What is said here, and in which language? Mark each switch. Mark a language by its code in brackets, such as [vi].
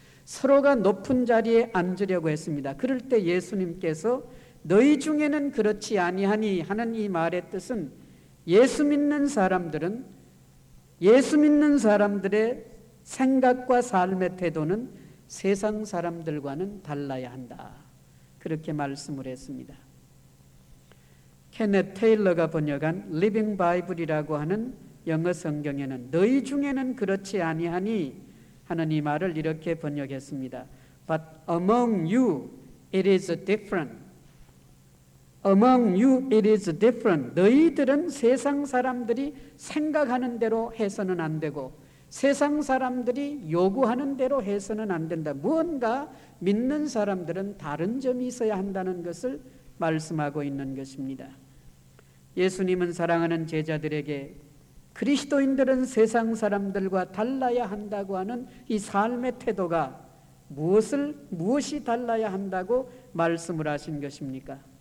[ko] 서로가 높은 자리에 앉으려고 했습니다. 그럴 때 예수님께서 너희 중에는 그렇지 아니하니 하는 이 말의 뜻은 예수 믿는 사람들은 예수 믿는 사람들의 생각과 삶의 태도는 세상 사람들과는 달라야 한다, 그렇게 말씀을 했습니다. 케넷 테일러가 번역한 리빙 바이블이라고 하는 영어 성경에는 너희 중에는 그렇지 아니하니 하는 이 말을 이렇게 번역했습니다. [en] But among you it is different. Among you it is different. [ko] 너희들은 세상 사람들이 생각하는 대로 해서는 안 되고 세상 사람들이 요구하는 대로 해서는 안 된다. 무언가 믿는 사람들은 다른 점이 있어야 한다는 것을 말씀하고 있는 것입니다. 예수님은 사랑하는 제자들에게 그리스도인들은 세상 사람들과 달라야 한다고 하는 이 삶의 태도가 무엇이 달라야 한다고 말씀을 하신 것입니까?